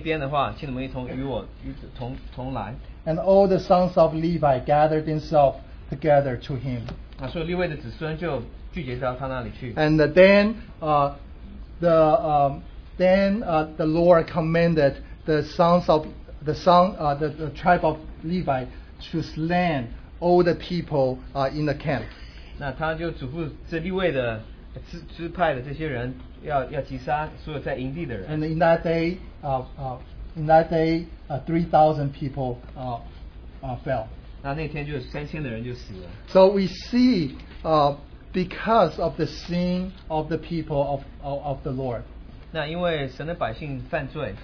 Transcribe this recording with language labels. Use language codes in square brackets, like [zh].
[zh] 那我们就对百姓们说，如果谁在神的那边的话，请你们一同与我同来。 [en] And all the sons of Levi gathered themselves together to him. [zh] 所以利未的子孙就聚集到他那里去。 [en] And then the Lord commanded the tribe of Levi to slay all the people in the camp. [zh] 那他就嘱咐这利未的支派的这些人要击杀所有在营地的人。 [en] And in that day, in that day, 3,000 people fell. So we see because of the sin of the people of the Lord. [zh] 那因为神的百姓犯罪,